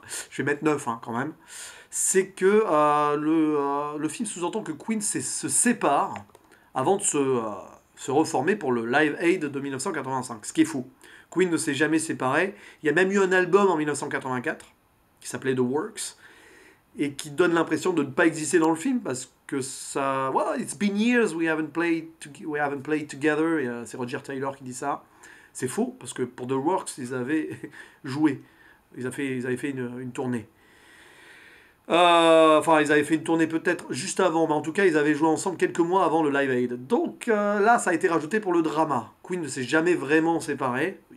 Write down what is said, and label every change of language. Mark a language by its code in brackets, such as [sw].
[fr] Je vais mettre 9 hein, quand même. C'est que le film sous-entend que Queen se sépare avant de se reformer pour le Live Aid de 1985, ce qui est faux. Queen ne s'est jamais séparé. Il y a même eu un album en 1984, qui s'appelait The Works, et qui donne l'impression de ne pas exister dans le film, parce que ça... [en] Well, it's been years we haven't played together, [fr] c'est Roger Taylor qui dit ça. C'est faux, parce que pour The Works, ils avaient joué. Ils avaient fait une tournée. Enfin, ils avaient fait une tournée peut-être juste avant, mais en tout cas, ils avaient joué ensemble quelques mois avant le Live Aid. Donc là, ça a été rajouté pour le drama. Queen ne s'est jamais vraiment séparé.